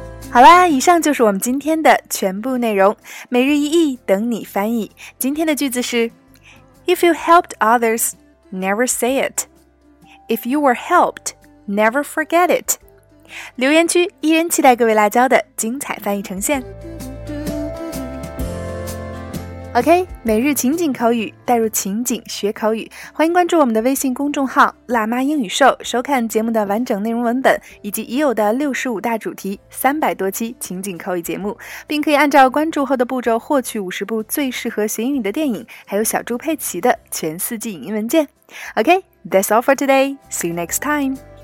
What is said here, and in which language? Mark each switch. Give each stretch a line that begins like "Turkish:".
Chinese: 好啦，以上就是我们今天的全部内容。每日一译，等你翻译。今天的句子是
English: If you helped others, never say it. If you were helped, never forget it.
Chinese: 留言区依然期待各位辣椒的精彩翻译呈现。 OK, 每日情景口语，带入情景学口语。欢迎关注我们的微信公众号辣妈英语秀，收看节目的完整内容文本以及已有的65大主题300多期情景口语节目，并可以按照关注后的步骤获取50部最适合学英语的电影，还有小猪佩奇的全4季影音文件。
English: OK, that's all for today. See you next time.